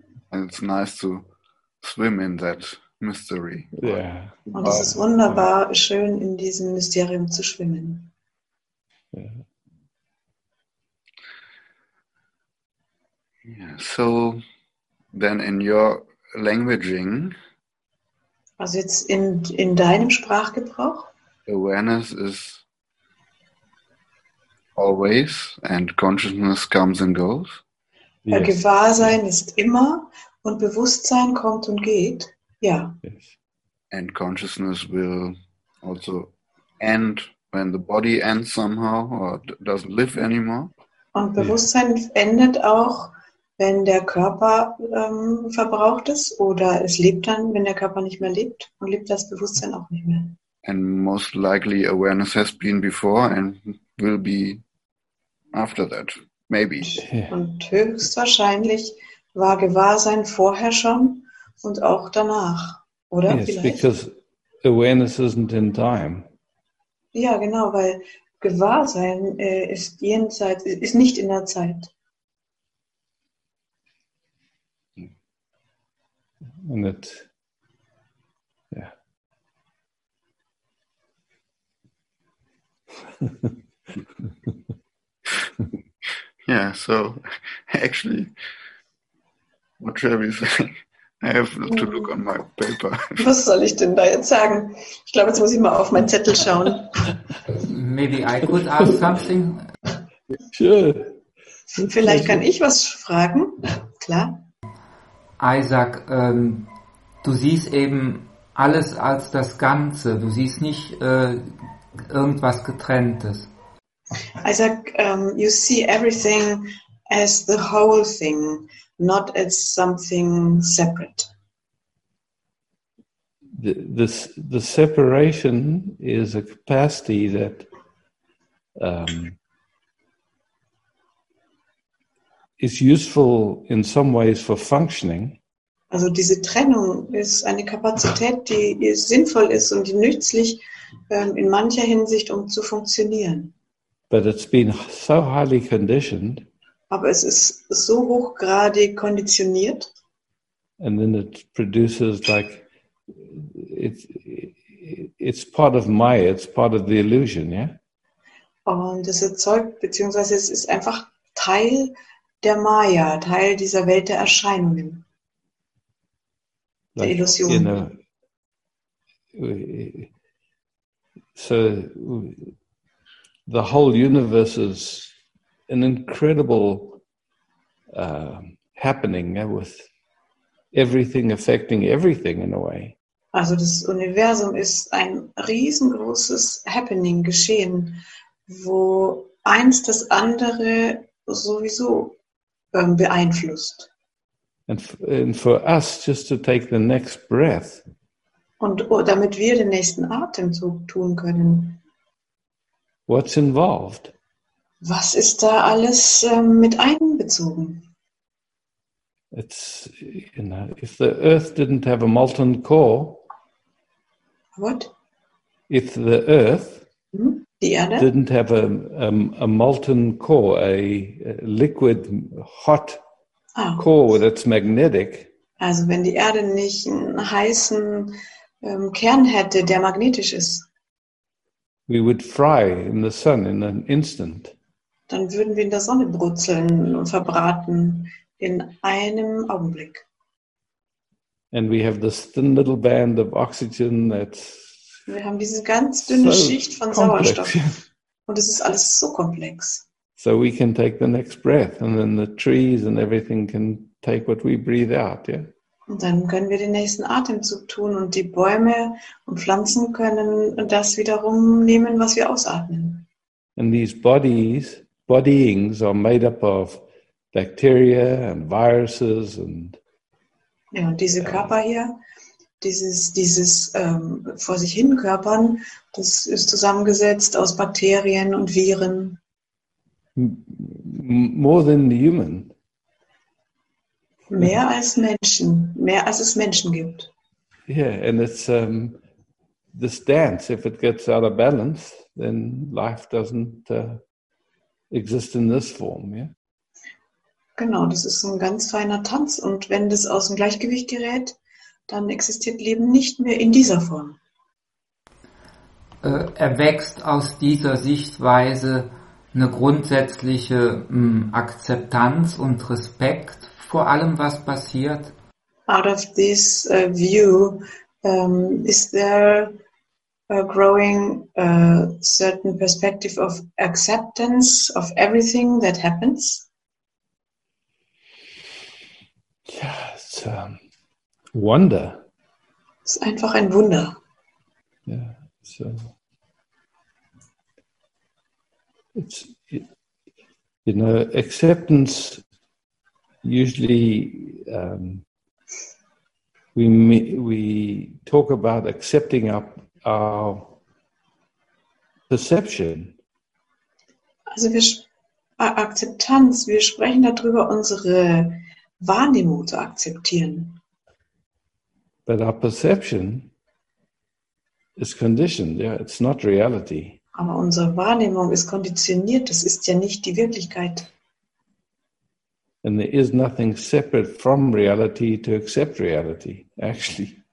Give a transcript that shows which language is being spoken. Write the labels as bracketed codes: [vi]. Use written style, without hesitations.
[en] And it's nice to swim in that mystery. Yeah. [de] Und es ist wunderbar, schön in diesem Mysterium zu schwimmen. [en] Yeah. So, then in your languaging. [de] Also jetzt in deinem Sprachgebrauch. [en] Awareness is always and consciousness comes and goes. Yes. [de] Gewahrsein ist immer und Bewusstsein kommt und geht. Ja. [en] Yes. And consciousness will also end when the body ends somehow or doesn't live anymore. [de] Und Bewusstsein endet auch, wenn der Körper verbraucht ist, oder es lebt dann, wenn der Körper nicht mehr lebt, und lebt das Bewusstsein auch nicht mehr. [en] And most likely awareness has been before and will be after that, maybe. [de] Und höchstwahrscheinlich war Gewahrsein vorher schon und auch danach, oder? [en] Yes, because awareness isn't in time. [de] Ja, genau, weil Gewahrsein ist jenseits, ist nicht in der Zeit. [en] And it, yeah. Yeah, so actually, what shall we say? I have to look on my paper. [de] Was soll ich denn da jetzt sagen? Ich glaube, jetzt muss ich mal auf meinen Zettel schauen. [en] Maybe I could ask something. Sure. [de] Vielleicht kann ich was fragen. Klar. Isaac, du siehst eben alles als das Ganze. Du siehst nicht irgendwas Getrenntes. [en] Isaac, you see everything as the whole thing, not as something separate. The separation is a capacity that is useful in some ways for functioning. [de] Also diese Trennung ist eine Kapazität, die sinnvoll ist und die nützlich in mancher Hinsicht, um zu funktionieren. [en] But it's been so highly conditioned. [de] Aber es ist so hochgradig konditioniert. [en] And then it produces like it's part of Maya, it's part of the illusion, yeah? [de] Und es erzeugt, beziehungsweise es ist einfach Teil der Maya, Teil dieser Welt der Erscheinungen. Like, der Illusion. [en] You know, so the whole universe is an incredible happening with everything affecting everything in a way. [de] Also das Universum ist ein riesengroßes Happening, Geschehen, wo eins das andere sowieso beeinflusst. [en] And for us just to take the next breath. [de] Und damit wir den nächsten Atemzug tun können. [en] What's involved? [de] Was ist da alles mit einbezogen? [en] It's, you know, if the earth didn't have a molten core. What? If the earth [de] Die Erde? [en] Didn't have a molten core, a liquid hot core that's magnetic. [de] Also wenn die Erde nicht einen heißen Kern hätte, der magnetisch ist. [en] We would fry in the sun in an instant. [de] Dann würden wir in der Sonne brutzeln und verbraten in einem Augenblick. [en] And we have this thin little band of oxygen that's. [de] Wir haben diese ganz dünne Schicht von Sauerstoff. Und es ist alles so komplex. [en] So we can take the next breath and then the trees and everything can take what we breathe out, yeah? [de] Und dann können wir den nächsten Atemzug tun und die Bäume und Pflanzen können das wiederum nehmen, was wir ausatmen. [en] And these bodyings are made up of bacteria and viruses and. [de] Ja, und diese Körper hier, dieses vor sich hin Körpern, das ist zusammengesetzt aus Bakterien und Viren. [en] More than the human. [de] Mehr als Menschen, mehr als es Menschen gibt. [en] Yeah, and it's this dance, if it gets out of balance, then life doesn't exist in this form, yeah? [de] Genau, das ist ein ganz feiner Tanz und wenn das aus dem Gleichgewicht gerät, dann existiert Leben nicht mehr in dieser Form. Erwächst aus dieser Sichtweise eine grundsätzliche Akzeptanz und Respekt vor allem, was passiert? [en] Out of this view, is there a growing certain perspective of acceptance of everything that happens? Yeah, it's a wonder. [de] It's einfach ein Wunder. [en] Yeah, so It's, you know, acceptance usually we talk about accepting up our perception. [de] Also wir Akzeptanz, wir sprechen darüber, unsere Wahrnehmung zu akzeptieren. [en] But our perception is conditioned. Yeah, it's not reality. [de] Aber unsere Wahrnehmung ist konditioniert, das ist ja nicht die Wirklichkeit. [en] And there is nothing separate from reality to accept reality, actually.